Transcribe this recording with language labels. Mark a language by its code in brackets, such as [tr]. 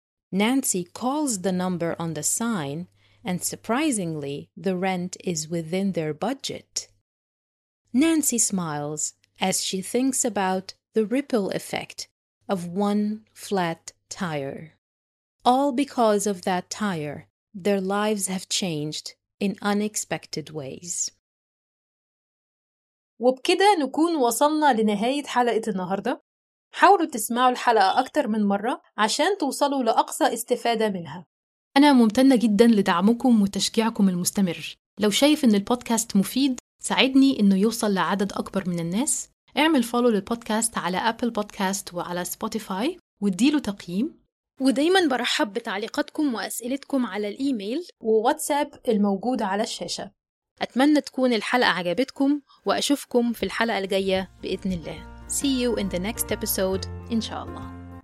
[en] Nancy calls the number on the sign, and surprisingly, the rent is within their budget. Nancy smiles as she thinks about the ripple effect of one flat tire. All because of that tire, their lives have changed in unexpected ways. [ar] وبكده نكون وصلنا لنهاية حلقة النهاردة. حاولوا تسمعوا الحلقة أكتر من مرة عشان توصلوا لأقصى استفادة منها. أنا ممتنة جدا لدعمكم وتشجيعكم المستمر. لو شايف إن البودكاست مفيد ساعدني إنه يوصل لعدد أكبر من الناس. اعمل فولو للبودكاست على أبل بودكاست وعلى سبوتيفاي واديله تقييم. ودايماً برحب بتعليقاتكم وأسئلتكم على الإيميل وواتساب الموجود على الشاشة. أتمنى تكون الحلقة عجبتكم وأشوفكم في الحلقة الجاية بإذن الله. [en] See you in the next episode إن شاء الله.